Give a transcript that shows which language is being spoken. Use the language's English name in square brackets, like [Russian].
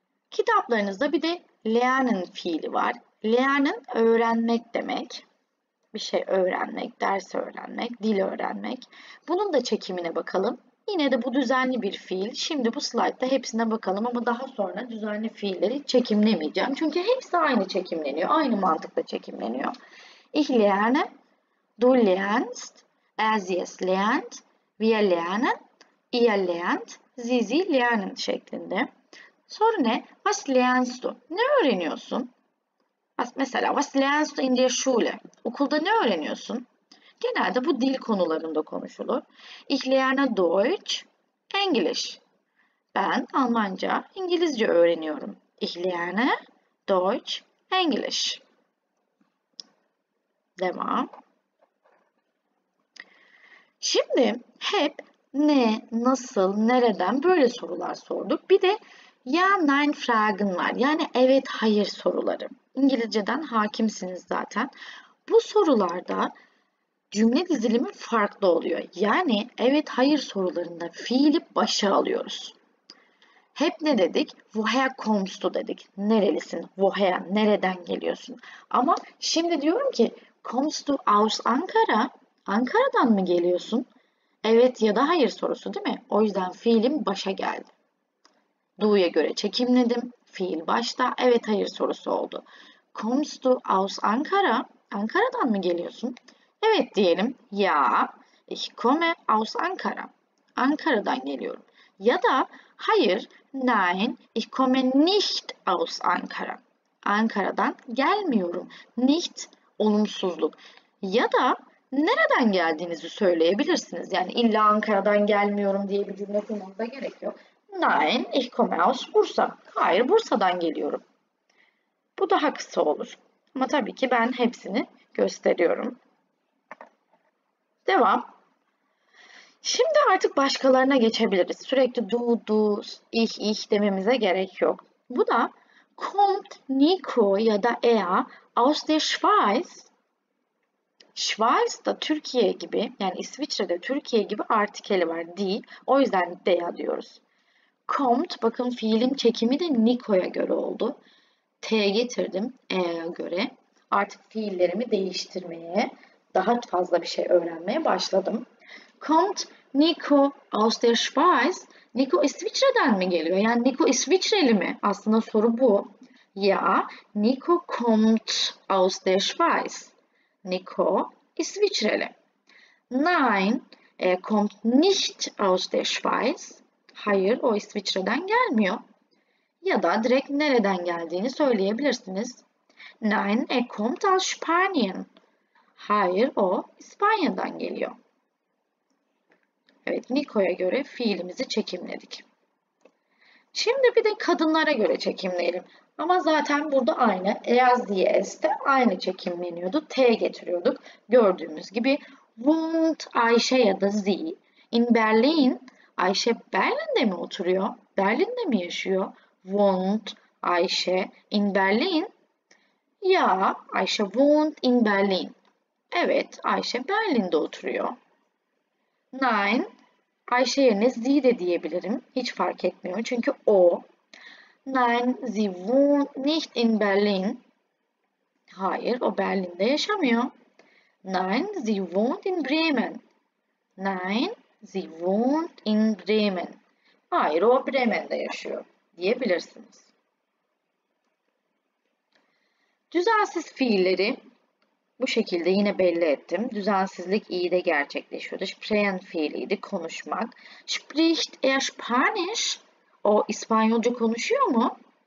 [Turkish] Kitaplarınızda bir de lernen fiili var. Lernen öğrenmek demek. Bir şey öğrenmek, ders öğrenmek, dil öğrenmek. Bunun da çekimine bakalım. Yine de bu düzenli bir fiil. Şimdi bu slaytta hepsine bakalım ama daha sonra düzenli fiilleri çekimlemeyeceğim. Çünkü hepsi aynı çekimleniyor. Aynı mantıkla çekimleniyor. [German] Ich lerne, du lernst, er sie es lernt, wir lernen, ihr lernt, Sie lernen şeklinde. Soru ne? Was lernst du? [Turkish] Ne öğreniyorsun? [German] Mesela was lernst du in der Schule? [Turkish] Okulda ne öğreniyorsun? Genelde bu dil konularında konuşulur. [German] Ich lerne Deutsch, English. [Turkish] Ben Almanca, İngilizce öğreniyorum. [German] Ich lerne Deutsch, Englisch. [Turkish] Devam. Şimdi hep ne, nasıl, nereden böyle sorular sorduk. Bir de [German] ya nein fragen [Turkish] var. Yani evet, hayır soruları. İngilizceden hakimsiniz zaten. Bu sorularda cümle dizilimi farklı oluyor. Yani evet hayır sorularında fiili başa alıyoruz. Hep ne dedik? [German] Woher kommst du [Turkish] dedik. Nerelisin? Woher? Nereden geliyorsun? Ama şimdi diyorum ki [German] kommst du aus Ankara? [Turkish] Ankara'dan mı geliyorsun? Evet ya da hayır sorusu değil mi? O yüzden fiilim başa geldi. Do'ya göre çekimledim. Fiil başta, evet hayır sorusu oldu. [German] Kommst du aus Ankara? [Turkish] Ankara'dan mı geliyorsun? Evet diyelim. [German] Ja, ich komme aus Ankara. [Turkish] Ankara'dan geliyorum. Ya da hayır, [German] nein, ich komme nicht aus Ankara. [Turkish] Ankara'dan gelmiyorum. Nicht, olumsuzluk. Ya da nereden geldiğinizi söyleyebilirsiniz. Yani illa Ankara'dan gelmiyorum diye bir cümle kurmanıza gerek yok. [German] Nein, ich komme aus Bursa. [Turkish] Hayır, Bursa'dan geliyorum. Bu daha kısa olur. Ama tabii ki ben hepsini gösteriyorum. Devam. Şimdi artık başkalarına geçebiliriz. Sürekli du, du, ich dememize gerek yok. Bu da [German] kommt Nico [Turkish] ya da Ea [German] aus der Schweiz. [Turkish] Schweiz da Türkiye gibi, yani İsviçre'de Türkiye gibi artikeli var. Die. O yüzden de diyoruz. Kommt, bakın fiilin çekimi de Nico'ya göre oldu. T'ye getirdim, E'ye göre. Artık fiillerimi değiştirmeye, daha fazla bir şey öğrenmeye başladım. [German] Kommt Nico aus der Schweiz. [Turkish] Nico İsviçre'den mi geliyor? Yani Nico İsviçreli mi? Aslında soru bu. [German] Ya, Nico kommt aus der Schweiz. [Turkish] Nico İsviçreli. [German] Nein, er kommt nicht aus der Schweiz. [Turkish] Hayır, o İsviçre'den gelmiyor. Ya da direkt nereden geldiğini söyleyebilirsiniz. [German] Nein, er kommt aus Spanien. [Turkish] Hayır, o İspanya'dan geliyor. Evet, Nico'ya göre fiilimizi çekimledik. Şimdi bir de kadınlara göre çekimleyelim. Ama zaten burada aynı. Eyaz diye es de aynı çekimleniyordu. T getiriyorduk. Gördüğümüz gibi [German] wohnt Ayşe [Turkish] ya da Sie [German] in Berlin. [Turkish] Ayşe Berlin'de mi oturuyor? Berlin'de mi yaşıyor? [German] Wohnt Ayşe in Berlin. Ya, Ayşe wohnt in Berlin. [Turkish] Evet, Ayşe Berlin'de oturuyor. Nein, Ayşe yerine Sie de diyebilirim. Hiç fark etmiyor çünkü o. [German] Nein, sie wohnt nicht in Berlin. [Turkish] Hayır, o Berlin'de yaşamıyor. [German] Nein, sie wohnt in Bremen. Nein, sie wohnt in Bremen. [Turkish] Hayır, o Bremen'de yaşıyor diyebilirsiniz. Düzensiz fiilleri bu şekilde yine belli ettim. Düzensizlik iyi de gerçekleşiyordu. Sprechen fiiliydi, konuşmak. [German] Spricht er Spanisch? [Turkish] O İspanyolca konuşuyor mu?